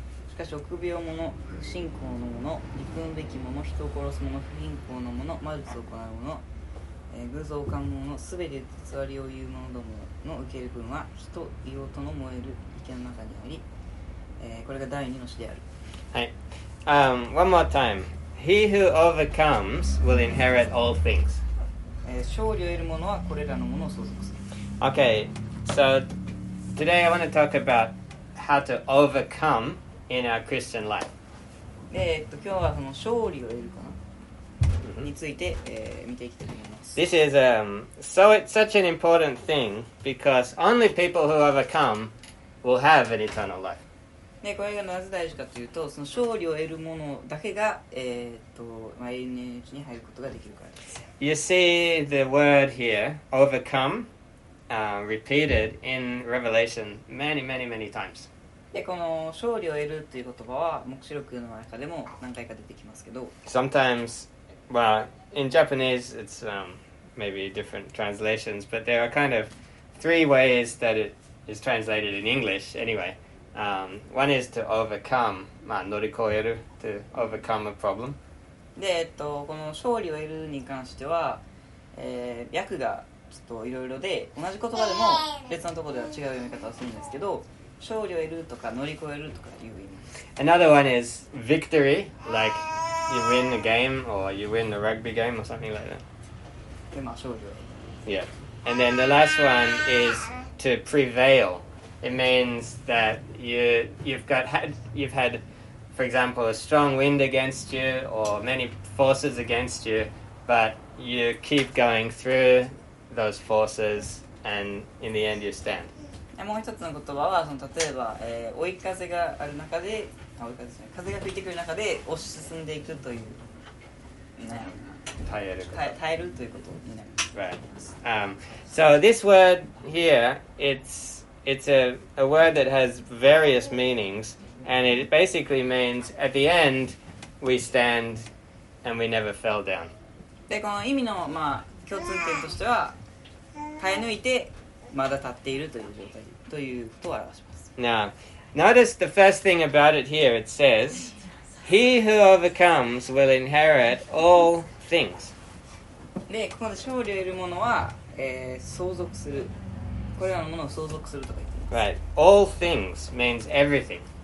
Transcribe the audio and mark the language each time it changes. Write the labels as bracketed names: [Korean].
[Japanese] しかし臆病者、不信仰の者、憎むべき者、人を殺す者、不貧困の者、魔術を行う者、偶像観者、すべて偽りを言う者どもの受ける分は、火と硫黄との燃える池の中にあり、これが第二の死である。 [English] はい。One more time. He who overcomes will inherit all things. [Japanese] 勝利を得る者はこれらのものを相続する。 [English] Okay. So, today I want to talk about how to overcome. In our Christian life. [Japanese] 今日はその勝利を得るかな、mm-hmm. について、見ていきたいと思います。 [English] This is it's such an important thing because only people who overcome will have an eternal life. [Japanese] ね、これがなぜ大事かというと、その勝利を得る者だけが永遠のうちに入ることができるからです。 [English] You see the word here, overcome, repeated in Revelation many, many, many times. [Japanese] でこの勝利を得るという言葉は黙示録の中でも何回か出てきますけど [English] Sometimes, well, in Japanese it's、maybe different translations but there are kind of three ways that it is translated in English anyway、one is to overcome、 [Japanese] まあ、乗り越える [English] to overcome a problem [Japanese] で、この勝利を得るに関しては、訳がちょっといろいろで同じ言葉でも別のところでは違う読み方をするんですけど勝利を得るとか乗り越えるとかいう意味です。 [English] Another one is victory, like you win the game or you win the rugby game or something like that. [Japanese] で、まあ、勝利を得る。 [English] Yeah. And then the last one is to prevail. It means that you've had, for example, a strong wind against you or many forces against you, but you keep going through those forces and in the end you stand. [Japanese] もう一つの言葉はその例えば、追い風がある中で追い風じゃない風が吹いてくる中で押し進んでいくという耐えること耐えるということになります [English] Right. So this word here it's a word that has various meanings and it basically means at the end we stand and we never fell down [Japanese] でこの意味の、まあ、共通点としては耐え抜いてまだ立っているという状態ということを表します。 [English] Now, notice the first thing about it here. It says, "He who overcomes will inherit all things." [Japanese] で、ここで勝利を得る者は、相続する。これらのものを相続するとか言っています [English] 。 Right. All things means everything.